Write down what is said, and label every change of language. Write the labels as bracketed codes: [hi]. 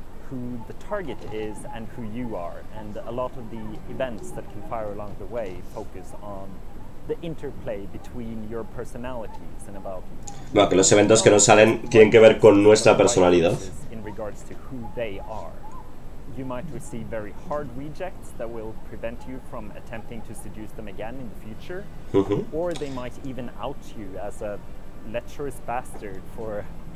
[en] Who the target is and who you are, and a lot of the events that can fire along the way focus on the interplay between your personalities and about. [es] Bueno, que los eventos que nos salen tienen que ver con nuestra personalidad. [en] In regards to who they are, you might receive very hard rejects that will prevent you from attempting to seduce them again in the future, or they might even out you as a lecherous bastard for.